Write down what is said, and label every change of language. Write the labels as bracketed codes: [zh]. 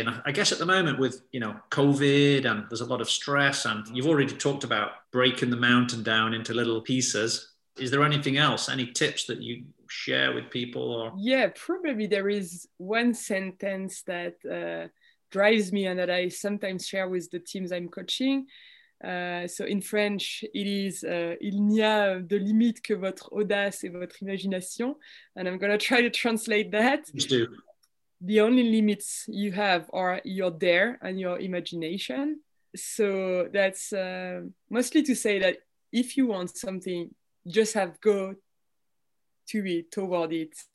[en] And I guess at the moment with, you know, COVID, and there's a lot of stress, and you've already talked about breaking the mountain down into little pieces. Is there anything else, any tips that you share with people? Or yeah, probably there is one sentence that drives me and that I sometimes share with the teams I'm coaching. So in French, it is [fr] il n'y a de limite que votre audace et votre imagination. [en] And I'm going to try to translate that. Please do. The only limits you have are your dare and your imagination. So that's mostly to say that if you want something, just have go to it, toward it.